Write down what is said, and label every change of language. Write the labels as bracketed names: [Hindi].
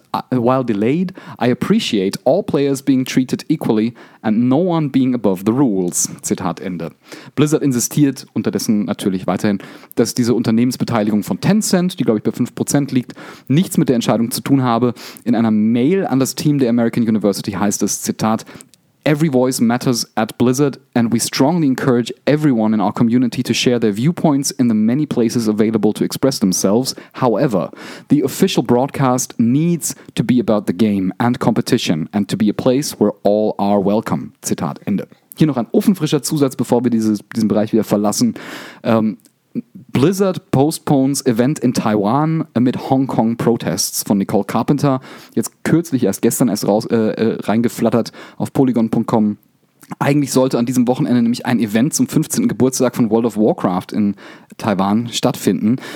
[English] While delayed, I appreciate all players being treated equally and no one being above the rules. [German] Zitat Ende. Blizzard insistiert unterdessen natürlich weiterhin, dass diese Unternehmensbeteiligung von Tencent, die glaube ich bei 5% liegt, nichts mit der Entscheidung zu tun habe. In einer Mail an das Team der American University heißt es, Zitat, [English] every voice matters at Blizzard and we strongly encourage everyone in our community to share their viewpoints in the many places available to express themselves. However, the official broadcast needs to be about the game and competition and to be a place where all are welcome. [German] Zitat Ende. Hier noch ein ofenfrischer Zusatz, bevor wir diesen Bereich wieder verlassen. [English] Blizzard postpones event in Taiwan amid Hong Kong protests von Nicole Carpenter. [German] Jetzt kürzlich, gestern reingeflattert auf polygon.com. Eigentlich sollte an diesem Wochenende nämlich ein Event zum 15. Geburtstag von World of Warcraft in Taiwan stattfinden.